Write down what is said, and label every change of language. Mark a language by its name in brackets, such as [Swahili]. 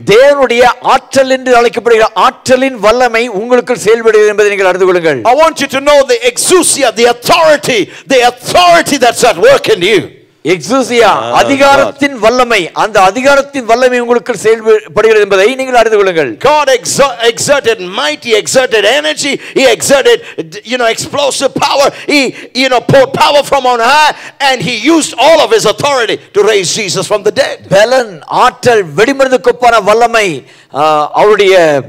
[Tamil] தேவனுடைய ஆற்றல் என்று அழைக்கப்படுகிற ஆற்றலின் வல்லமை உங்களுக்குள் செயல்படுகிறது என்பதை நீங்கள் அறிந்து கொள்ளுங்கள். [English] I want you to know the exousia, the authority that's at work in you. [Tamil] எக்ஸூசியா அதிகாரத்தின் வல்லமை அந்த அதிகாரத்தின் வல்லமை உங்களுக்கு செயல்படுகிறது என்பதை நீங்கள் அறிந்து கொள்ளுங்கள். [English] God exerted might, he exerted energy, he exerted, you know, explosive power, he, you know, poured power from on high, and he used all of his authority to raise Jesus from the dead. [Tamil] பலன் ஆற்றல் வெடிமருந்துக்குப்பான வல்லமை அவருடைய